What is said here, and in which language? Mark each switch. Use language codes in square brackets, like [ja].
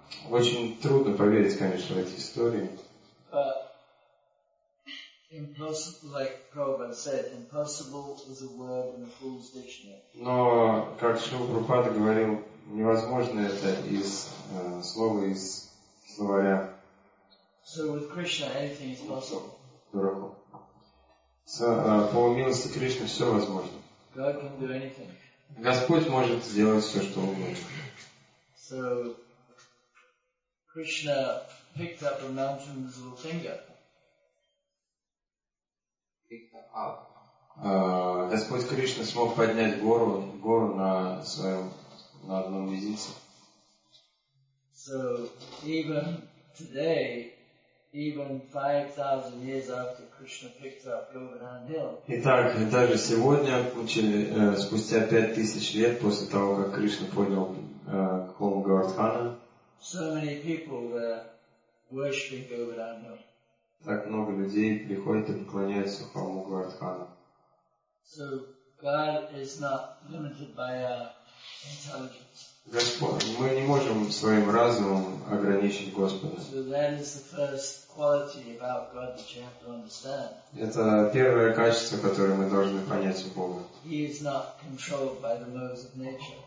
[ru] Очень трудно поверить, конечно, в эти истории. [en] But impossible, like Prabhupada said, impossible is a word in the fool's dictionary. [ru] Но, как Шрила Прабхупада говорил, невозможно это из слова из словаря. [en] So with Krishna, anything is possible. [ru] Дураку. По милости Кришны все возможно. [en] God can do anything. [ru] Господь может сделать все, что угодно. [en] So Krishna picked up a mountain with his little finger. Picked up. [ru] Господь Кришна смог поднять гору на своем на одном мизинце. [en] So even today, even 5,000 years after Krishna picked up Govardhan Hill. [ru] Итак, даже сегодня, спустя 5,000 лет после того, как Кришна поднял холм Говардхана, [en] so many people were worshiping Govardhan Hill. [ru] Так много людей приходят и поклоняются холму Говардхана. [en] So God is not limited by our intelligence. [ru] Господь, мы не можем своим разумом ограничить Господа. [en] So that is the first quality about God that you have to understand. [ru] Это первое качество, которое мы должны понять у Бога. [en] He is not controlled by the laws of nature.